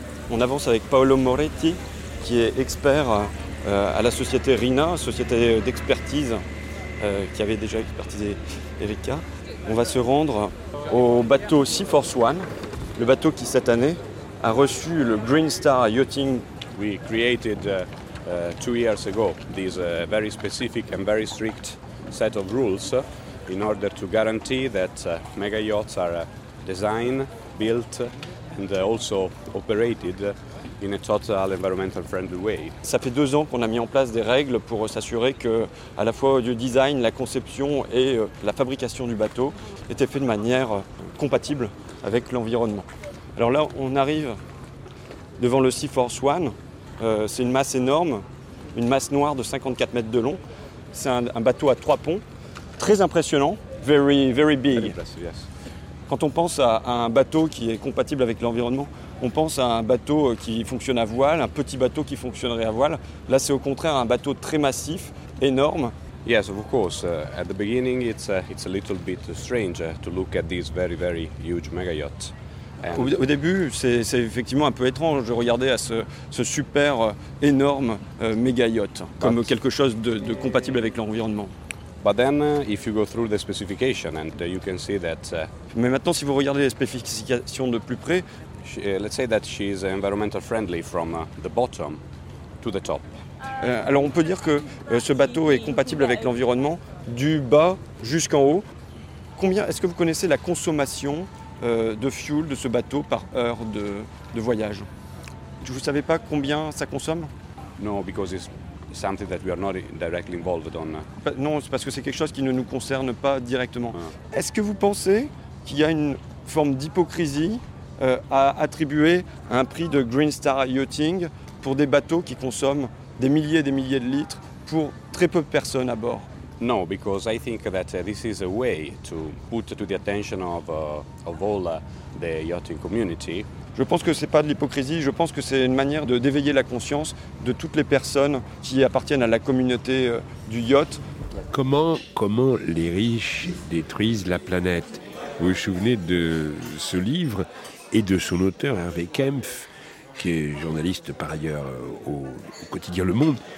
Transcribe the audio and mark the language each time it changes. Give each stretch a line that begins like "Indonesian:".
French: On avance avec Paolo Moretti, qui est expert à la société RINA, société d'expertise qui avait déjà expertisé Erika. On va se rendre au bateau Sea Force One, le bateau qui cette année a reçu le Green Star Yachting.
English: We created 2 years ago this very specific and very strict set of rules in order to guarantee that mega yachts are designed, built and also operated in a total environmental friendly way.
French: Ça fait 2 ans qu'on a mis en place des règles pour s'assurer que à la fois du design, la conception et la fabrication du bateau étaient faits de manière compatible avec l'environnement. Alors là, on arrive devant le Sea Force One. C'est une masse énorme, une masse noire de 54 mètres de long. C'est un bateau à 3 ponts. Très impressionant,
English: very, very big. Very impressive, yes.
French: Quand on pense à un bateau qui est compatible avec l'environnement, on pense à un bateau qui fonctionne à voile, un petit bateau qui fonctionnerait à voile. Là, c'est au contraire un bateau très massif, énorme.
English: Yes, of course. At the beginning, it's a little bit strange to look at this very, very huge mega yacht.
French: Au début, c'est effectivement un peu étrange de regarder à ce super énorme mega yacht comme quelque chose de compatible avec l'environnement.
English: But then, if you go through the specification, and you can see that.
French: Mais maintenant, si vous regardez les spécifications de plus près,
English: let's say that she is environmental friendly from the bottom to the top.
French: Alors on peut dire que ce bateau est compatible avec l'environnement du bas jusqu'en haut. Combien est-ce que vous connaissez la consommation de fuel de ce bateau par heure de voyage? Vous ne savez pas combien ça consomme?
English: Non, because it's something that we are not directly involved on.
French: Non, c'est parce que c'est quelque chose qui ne nous concerne pas directement. Est-ce que vous pensez qu'il y a une forme d'hypocrisie à attribuer un prix de Green Star Yachting pour des bateaux qui consomment des milliers de litres pour très peu de personnes à bord?
English: No, because I think that this is a way to put to the attention of all the yachting community.
French: Je pense que ce n'est pas de l'hypocrisie, je pense que c'est une manière d'éveiller la conscience de toutes les personnes qui appartiennent à la communauté du yacht. Comment les riches détruisent la planète? Vous vous souvenez de ce livre et de son auteur Hervé Kempf, qui est journaliste par ailleurs au quotidien Le Monde.